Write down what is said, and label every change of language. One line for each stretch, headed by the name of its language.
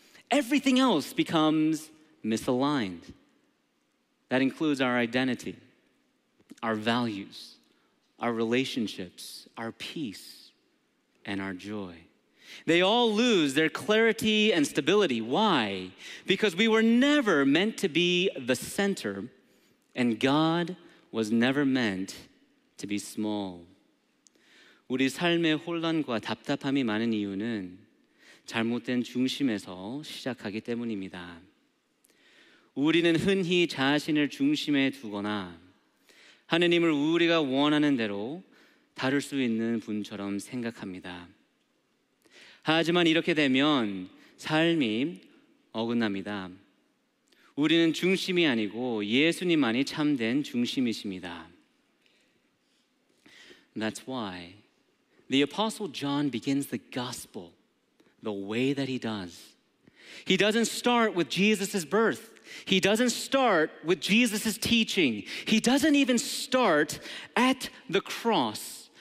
English: Everything else becomes misaligned. That includes our identity, our values, our relationships, our peace, and our joy. They all lose their clarity and stability. Why? Because we were never meant to be the center, and God was never meant to be small.
Korean: 우리 삶의 혼란과 답답함이 많은 이유는 잘못된 중심에서 시작하기 때문입니다. 우리는 흔히 자신을 중심에 두거나 하느님을 우리가 원하는 대로 다룰 수 있는 분처럼 생각합니다. 하지만 이렇게 되면 삶이 어긋납니다. 우리는 중심이 아니고 예수님만이 참된 중심이십니다.
English: That's why the Apostle John begins the gospel the way that he does. He doesn't start with Jesus' birth. He doesn't start with Jesus' teaching. He doesn't even start at the cross.